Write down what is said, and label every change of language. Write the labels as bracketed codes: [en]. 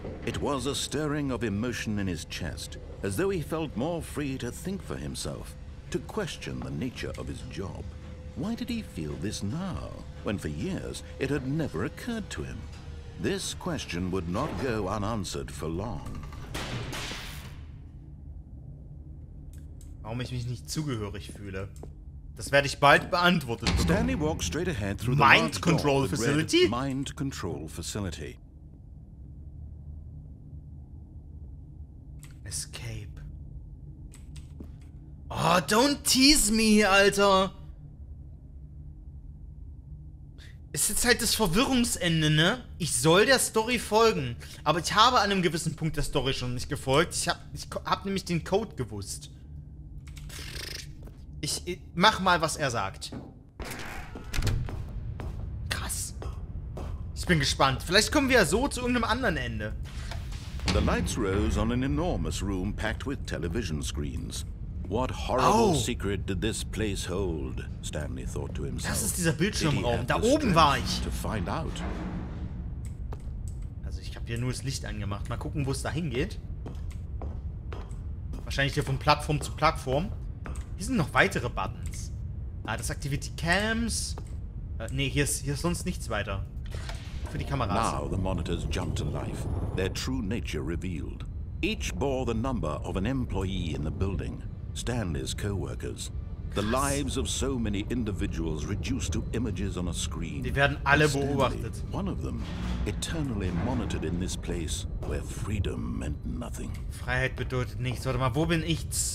[en] It was a stirring of emotion in his chest, as though he felt more free to think for himself, to question the nature of his job. Why did he feel this now, when for years it had never occurred to him? This question would not go unanswered for long. [de] Warum ich mich nicht zugehörig fühle? Das werde ich bald beantwortet. [en] Stanley walked straight ahead through the mind control facility. Mind control facility. Escape. Oh, don't tease me, Alter. [de] Es ist halt das Verwirrungsende, ne? Ich soll der Story folgen. Aber ich habe an einem gewissen Punkt der Story schon nicht gefolgt. Ich hab nämlich den Code gewusst. Ich mach mal, was er sagt. Krass. Ich bin gespannt. Vielleicht kommen wir ja so zu irgendeinem anderen Ende. [en] The lights rose on an enormous room packed with television screens. What horrible secret did this place hold? Stanley thought to himself. [de] Das ist dieser Bildschirmraum. Da oben war ich. [en] To find out. [de] Also ich habe hier nur das Licht angemacht. Mal gucken, wo es da hingeht. Wahrscheinlich hier von Plattform zu Plattform. Hier sind noch weitere Buttons. Ah, das aktiviert die Cams. Hier ist sonst nichts weiter. Für die Kameras. [en] Now the monitors jumped to life. Their true nature revealed. Each bore the number of an employee in the building. Stanley's co-workers. The lives of so many individuals reduced to images on a screen. [de] Die werden alle beobachtet. [en] One of them, eternally monitored in this place where freedom meant nothing. [de] Freiheit bedeutet nichts. Warte mal, wo bin ich?